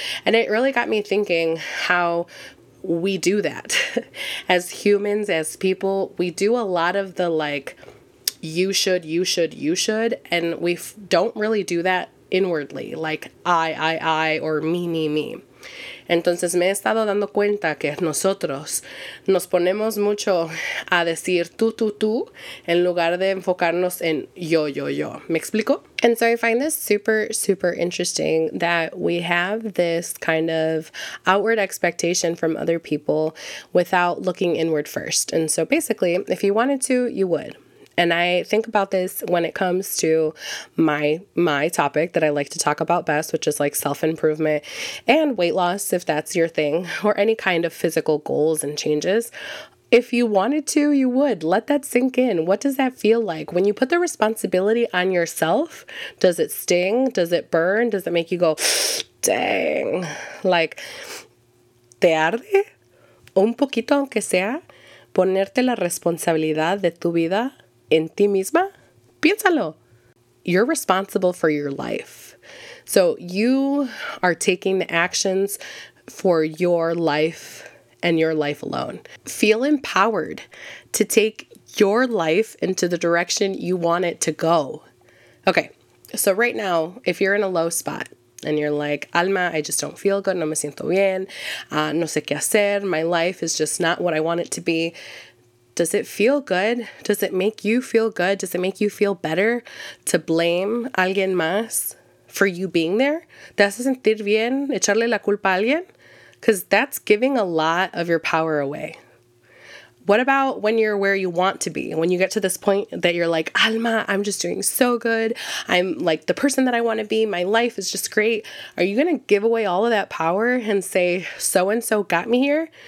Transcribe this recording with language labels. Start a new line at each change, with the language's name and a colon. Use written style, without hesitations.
English: And it really got me thinking how we do that. As humans, as people, we do a lot of the like, you should, you should, you should. And we don't really do that inwardly, like I, or me, me, me.
Spanish: Entonces me he estado dando cuenta que nosotros nos ponemos mucho a decir tú en lugar de enfocarnos en yo. ¿Me explico?
English: And so I find this super, super interesting that we have this kind of outward expectation from other people without looking inward first. And so basically, if you wanted to, you would. And I think about this when it comes to my topic that I like to talk about best, which is like self-improvement and weight loss, if that's your thing, or any kind of physical goals and changes. If you wanted to, you would. Let that sink in. What does that feel like? When you put the responsibility on yourself, does it sting? Does it burn? Does it make you go, dang, like,
Spanish: ¿te arde? Un poquito, aunque sea, ponerte la responsabilidad de tu vida en ti misma, piénsalo.
English: You're responsible for your life. So you are taking the actions for your life and your life alone. Feel empowered to take your life into the direction you want it to go. Okay, so right now, if you're in a low spot and you're like, Alma, I just don't feel good.
Spanish: No me siento bien. No sé qué hacer.
English: My life is just not what I want it to be. Does it feel good? Does it make you feel good? Does it make you feel better to blame
Spanish: alguien más
English: for you being there?
Spanish: ¿Te hace sentir bien echarle la culpa a alguien?
English: Because that's giving a lot of your power away. What about when you're where you want to be? When you get to this point that you're like, Alma, I'm just doing so good. I'm like the person that I want to be. My life is just great. Are you going to give away all of that power and say, so-and-so got me here?